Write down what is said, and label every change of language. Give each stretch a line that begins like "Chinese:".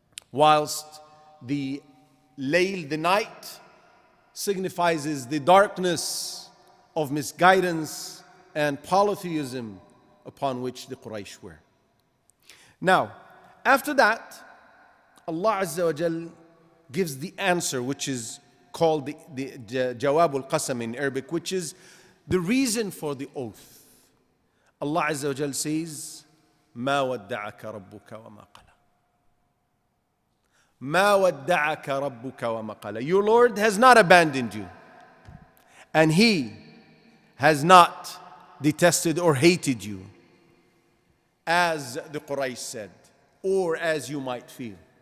English: Whilst the layl, the night, signifies the darkness of misguidance and polytheism upon which the Quraysh were. Now, after that, Allah Azza wa Jal gives the answer, which is called the Jawab al-Qasam in Arabic, which is the reason for the oath. Allah Azza wa Jal says,
Arabic: مَا وَدَّعَكَ رَبُّكَ وَمَا قَلَى مَا وَدَّعَكَ رَبُّكَ وَمَا قَلَى.
English: Your Lord has not abandoned you, and He has not detested or hated you, as the Quraysh said, or as you might feel.